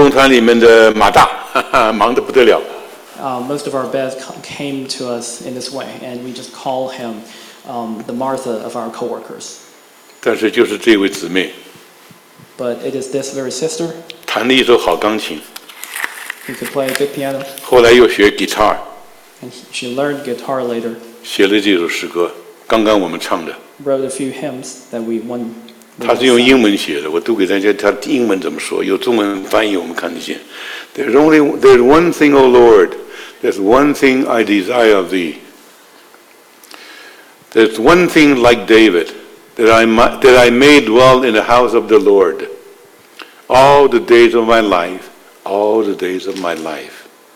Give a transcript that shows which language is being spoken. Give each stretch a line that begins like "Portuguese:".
Chinese: 所以大家都说他是我们同工团里面的马大，忙得不得了。
English: Most of our beds came to us in this way, and we just call him the Martha of our co-workers.
Chinese: 但是就是这位姊妹,
English: but it is this very sister.
Chinese: 弹了一首好钢琴,
English: he could play a good piano.
Chinese: 后来又学 guitar.
English: And she learned guitar later.
Chinese: 写了这首诗歌, 刚刚我们唱的。
English: Wrote a few hymns that we won.
Chinese: 他是用英文写的, 我读给大家, 他英文怎么说, 有中文翻译, 我们看得见。
English: There's one thing, O Lord, there's one thing I desire of thee. There's one thing like David, that I may dwell in the house of the Lord all the days of my life, all the days of my life.